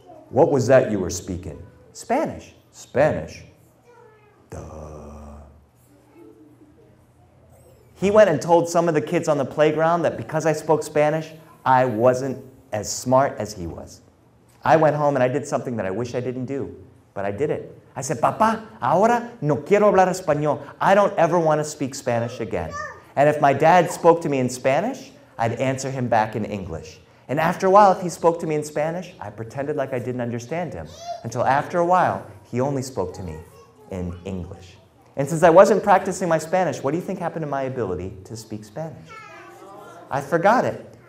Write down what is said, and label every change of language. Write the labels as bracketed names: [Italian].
[English] What was that you were speaking? Spanish. Spanish? Duh. He went and told some of the kids on the playground that because I spoke Spanish, I wasn't as smart as he was. I went home and I did something that I wish I didn't do, but I did it. I said, [Spanish] papa, ahora no quiero hablar español. [English] I don't ever want to speak Spanish again. And if my dad spoke to me in Spanish, I'd answer him back in English. And after a while, if he spoke to me in Spanish, I pretended like I didn't understand him, until after a while, he only spoke to me in English. And since I wasn't practicing my Spanish, what do you think happened to my ability to speak Spanish? I forgot it.